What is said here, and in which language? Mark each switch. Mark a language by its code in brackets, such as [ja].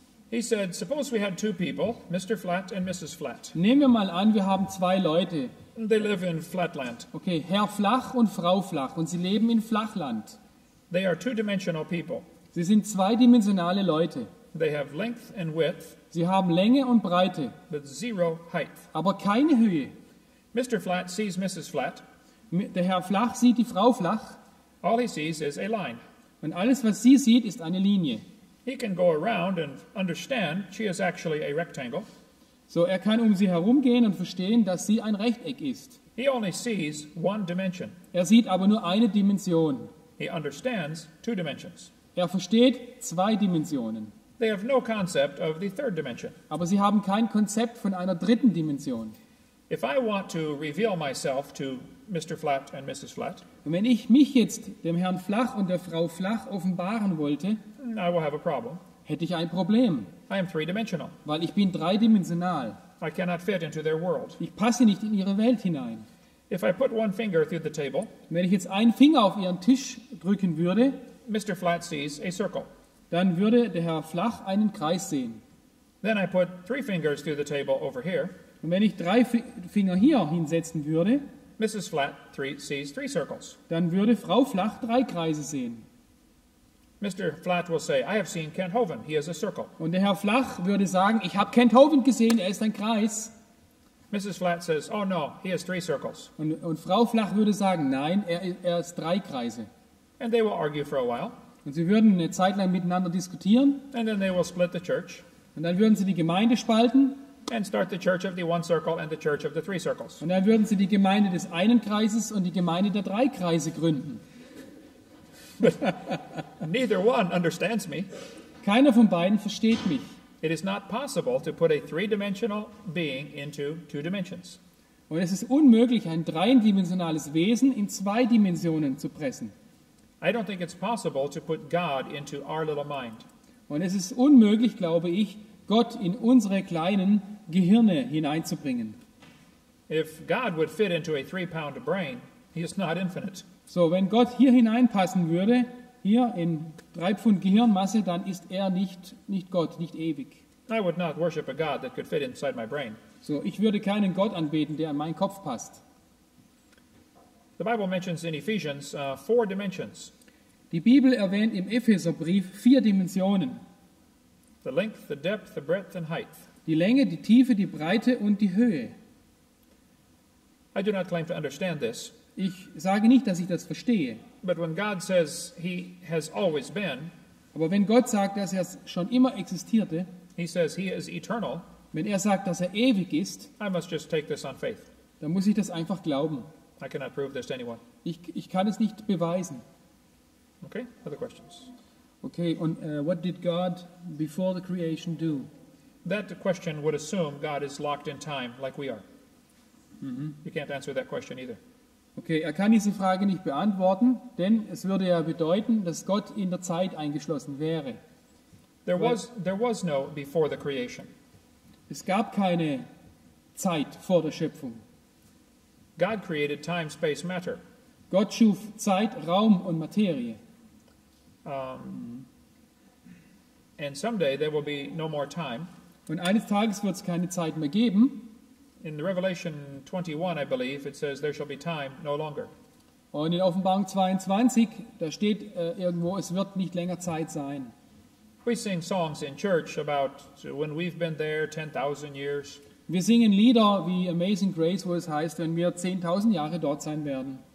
[en] He said, suppose we had two people, Mr. Flat and Mrs. Flat. [de] Nehmen wir mal an, wir haben zwei Leute. [en] They live in Flatland. [de] Okay, Herr Flach und Frau Flach, und sie leben in Flachland. [en] They are two-dimensional people. [de] Sie sind zweidimensionale Leute. [en] They have length and width, [de] sie haben Länge und Breite, [en] but zero height. [de] Aber keine Höhe. [en] Mr. Flat sees Mrs. Flat. [de] Der Herr Flach sieht die Frau Flach. [en] All he sees is a line. [de] Und alles, was sie sieht, ist eine Linie. [en] He can go around and understand she is actually a rectangle. [de] So er kann um sie herumgehen und verstehen, dass sie ein Rechteck ist. [en] He only sees one dimension. [de] Er sieht aber nur eine Dimension. [en] He understands two dimensions. [de] Er versteht zwei Dimensionen. [en] They have no concept of the third dimension. [de] Aber sie haben kein Konzept von einer dritten Dimension. [en] If I want to reveal myself to Mr. Flat and Mrs. Flat, [de] und wenn ich mich jetzt dem Herrn Flach und der Frau Flach offenbaren wollte, [en] I will have a problem. [de] Hätte ich ein Problem. [en] I am three-dimensional. [de] Weil ich bin dreidimensional. [en] I cannot fit into their world. [de] Ich passe nicht in ihre Welt hinein. [en] If I put one finger through the table, [de] wenn ich jetzt einen Finger auf ihren Tisch drücken würde, [en] Mr. Flat sees a circle. [de] Dann würde der Herr Flach einen Kreis sehen. [en] Then I put three fingers through the table over here. [de] Und wenn ich drei Finger hier hinsetzen würde, [en] Mrs. Flat sees three circles. [de] Dann würde Frau Flach drei Kreise sehen. [en] Mr. Flat will say, I have seen Kent Hovind. He is a circle. [de] Und der Herr Flach würde sagen, ich habe Kent Hovind gesehen. Er ist ein Kreis. [en] Mrs. Flat says, oh no, he has three circles. [de] Und Frau Flach würde sagen, nein, er ist drei Kreise. [en] And they will argue for a while. [de] Und sie würden eine Zeit lang miteinander diskutieren. [en] And then they will split the church. [de] Und dann würden sie die Gemeinde spalten. [en] And start the church of the one circle and the church of the three circles. [de] Und dann würden sie die Gemeinde des einen Kreises und die Gemeinde der drei Kreise gründen. [en] But neither one understands me. [de] Keiner von beiden versteht mich. [en] It is not possible to put a three-dimensional being into two dimensions. [de] Und es ist unmöglich, ein dreidimensionales Wesen in zwei Dimensionen zu pressen. [en] I don't think it's possible to put God into our little mind. [de] Und es ist unmöglich, glaube ich, Gott in unsere kleinen Gehirne hineinzubringen. [en] If God would fit into a 3-pound brain, he is not infinite. [de] So, wenn Gott hier hineinpassen würde, hier in 3 Pfund Gehirnmasse, dann ist er nicht Gott, nicht ewig. [en] I would not worship a God that could fit inside my brain. [de] So, ich würde keinen Gott anbeten, der in meinen Kopf passt. [en] The Bible mentions in Ephesians 4 dimensions. [de] Die Bibel erwähnt im Epheserbrief 4 Dimensionen. [en] The length, the depth, the breadth and height. [de] Die Länge, die Tiefe, die Breite und die Höhe. [en] I do not claim to understand this. [de] Ich sage nicht, dass ich das verstehe. [en] But when God says he has always been, [de] aber wenn Gott sagt, dass er schon immer existierte, [en] he says he is eternal, [de] wenn er sagt, dass er ewig ist, [en] I must just take this on faith. [de] Dann muss ich das einfach glauben. [en] I cannot prove this to anyone. [de] Ich kann es nicht beweisen. [en] Okay, other questions. Okay, und what did God before the creation do? That question would assume God is locked in time like we are. Mm-hmm. You can't answer that question either. [de] Okay, er kann diese Frage nicht beantworten, denn es würde ja bedeuten, dass Gott in der Zeit eingeschlossen wäre. [en] There was no before the creation. [de] Es gab keine Zeit vor der Schöpfung. [en] God created time, space, matter. [de] Gott schuf Zeit, Raum und Materie. [en] And someday there will be no more time. [de] Und eines Tages wird es keine Zeit mehr geben. [en] In Revelation 21, I believe, it says there shall be time no longer. [de] Und in Offenbarung 22, da steht irgendwo, es wird nicht länger Zeit sein. [en] We sing songs in church about when we've been there 10,000 years. [de] Wir singen Lieder wie Amazing Grace, wo es heißt, wenn wir 10,000 Jahre dort sein werden.